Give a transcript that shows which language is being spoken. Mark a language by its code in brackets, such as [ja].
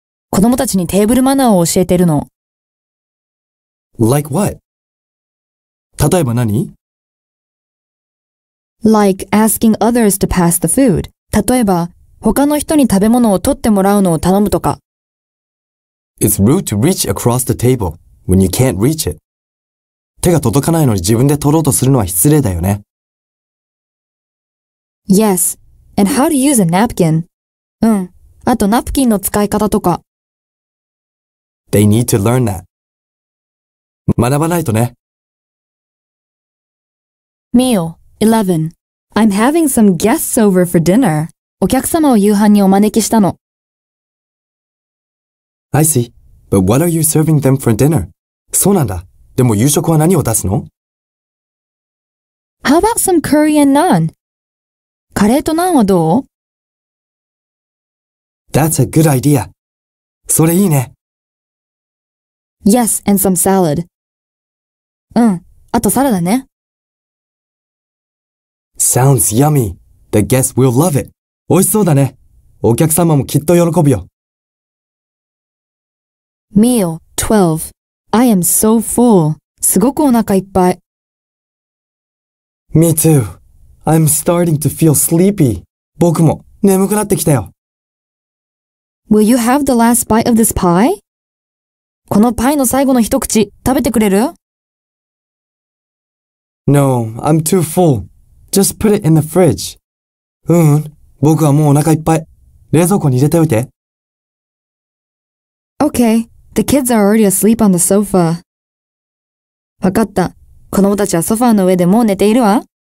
[ja] 子供たちにテーブルマナーを教えてるの。 [en] Like what? [ja] 例えば何? [en] Like asking others to pass the food. [ja] 例えば、他の人に食べ物を取ってもらうのを頼むとか。 [en] It's rude to reach across the table when you can't reach it. [ja] 手が届かないのに自分で取ろうとするのは失礼だよね。 [en] Yes, and how to use a napkin. [ja] うん、あとナプキンの使い方とか。 [en] They need to learn that. [ja] 学ばないとね。 [en] Meal 11. I'm having some guests over for dinner. [ja] お客様を夕飯にお招きしたの。 [en] I see. But what are you serving them for dinner? [ja] そうなんだ。でも夕食は何を出すの? [en] How about some curry and naan? [ja] カレーとナンはどう? [en] That's a good idea. [ja] それいいね。 [en] Yes, and some salad. [ja] うん。あとサラダね。 [en] Sounds yummy. The guests will love it. [ja] 美味しそうだね。お客様もきっと喜ぶよ。 [en] Meal 12. I am so full. [ja] すごくお腹いっぱい。 [en] Me too. I'm starting to feel sleepy. [ja] 僕も眠くなってきたよ。 [en] Will you have the last bite of this pie? [ja] このパイの最後の一口食べてくれる? [en] No, I'm too full. Just put it in the fridge. [ja] うん、僕はもうお腹いっぱい。冷蔵庫に入れておいて。 [en] Okay, the kids are already asleep on the sofa. [ja] わかった。子供たちはソファーの上でもう寝ているわ。